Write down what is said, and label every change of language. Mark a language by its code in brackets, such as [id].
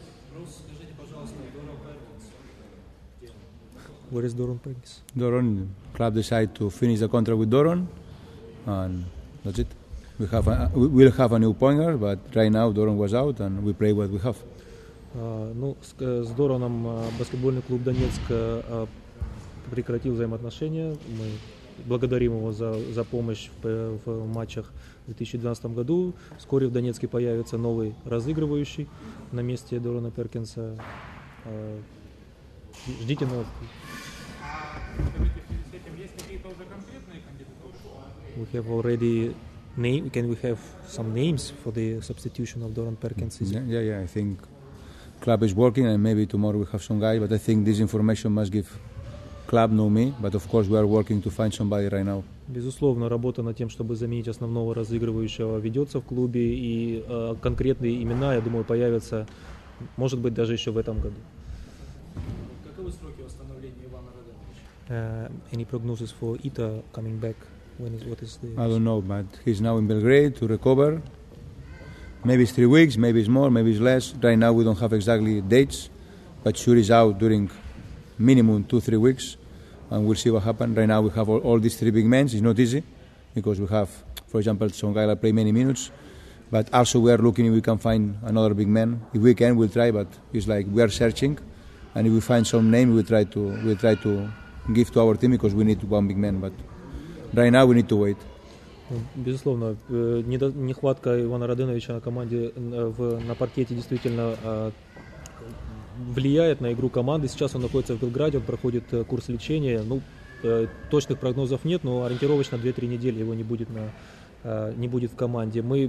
[ru] Вопрос, скажите, пожалуйста, Дорон Пенкинс. [en] Where is Дорон Пенкинс? Дорон, club decide to finish the contract with Дорон, and that's it. We'll have a new pointer, but right now Дорон was out, and we play what we have. [ru] С Дороном баскетбольный клуб Донецк прекратил взаимоотношения. Мы благодарим его за помощь в матчах в 2012 году. Вскоре в Донецке появится новый разыгрывающий на месте Дорона Перкинса. Ждите новостей. А, скажите, с этим есть какие-то уже конкретные кандидаты? [en] We have already name. Can we have some names for the substitution of Doron Perkins? Yeah, I think club is working and maybe tomorrow we have some guy, but I think this information must give club, no me, but of course we are working to find somebody right now. [ru] Безусловно, работа над тем, чтобы заменить основного разыгрывающего, ведется в клубе, и конкретные имена, я думаю, появятся, может быть, даже еще в этом году. Каковы сроки восстановления Ивана Радановича? [en] Any prognosis for Ita coming back? What is the... I don't know, but he's now in Belgrade to recover. Maybe it's 3 weeks, maybe it's more, maybe it's less. Right now we don't have exactly dates, but sure is out during minimum 2-3 weeks, and we'll see what happens. Right now we have all these three big men. It's not easy because we have, for example, some guy that play many minutes, but also we are looking if we can find another big man. If we can, we'll try, but it's like we are searching, and if we find some name, we'll try to give to our team because we need one big man, but right now we need to wait. [ru] Безусловно, нехватка Ивана Радановича на команде, на паркете действительно влияет на игру команды. Сейчас он находится в Белграде, он проходит курс лечения. Ну, точных прогнозов нет, но ориентировочно 2-3 недели его не будет в команде.